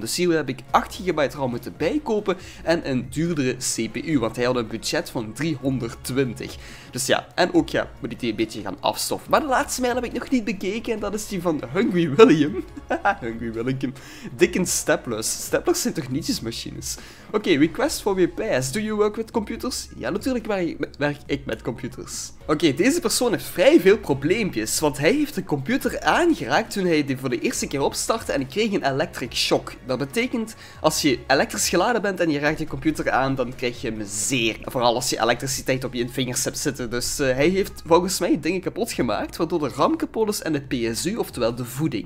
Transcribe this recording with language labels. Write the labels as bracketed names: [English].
[Dutch] Dus hier heb ik 8 GB RAM moeten bijkopen en een duurdere CPU, want hij had een budget van 320. Dus ja, en ook ja, moet ik die een beetje gaan afstoffen. Maar de laatste mail heb ik nog niet bekeken en dat is die van Hungry William. Hungry William. Dick en Staplers. Staplers zijn toch nietjesmachines? [English] Oké, request for repairs. Do you work with computers? [Dutch] Ja, natuurlijk werk ik met computers. Oké, deze persoon heeft vrij veel probleempjes, want hij heeft de computer aangeraakt toen hij die voor de eerste keer opstartte en kreeg een electric shock. Dat betekent, als je elektrisch geladen bent en je raakt je computer aan, dan krijg je hem zeer. Vooral als je elektriciteit op je vingers hebt zitten. Dus hij heeft volgens mij dingen kapot gemaakt, waardoor de RAM kapot is en de PSU, oftewel de voeding.